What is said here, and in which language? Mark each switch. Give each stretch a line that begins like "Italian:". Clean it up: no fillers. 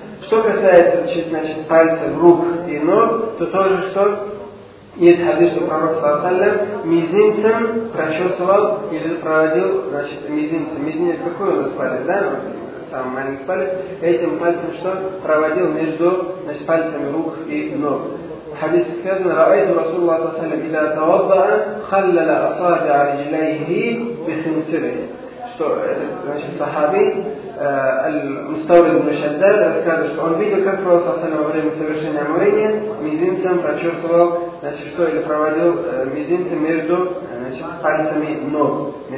Russian: Что касается, значит, пальцев, рук и ног, то тоже что? Есть хадис, что пророк саллям мизинцем прочесывал или проводил, значит, мизинцем. Мизинец какой у нас палец, да? Там маленький палец. Этим пальцем что? Проводил между, значит, пальцами рук и ног.
Arabic: حديث سيدنا رأيت رسول الله صلى الله عليه وسلم إذا توضأ خلل أصابع رجليه بخنصره.
Russian: Что значит сахаби, المستورد المشدد рассказывает, что он видел, как Пророк
Arabic: صلى الله عليه وسلم
Russian: во время совершения омовения мизинцем прочерствовал, значит, что или проводил мизинцем между пальцами ног.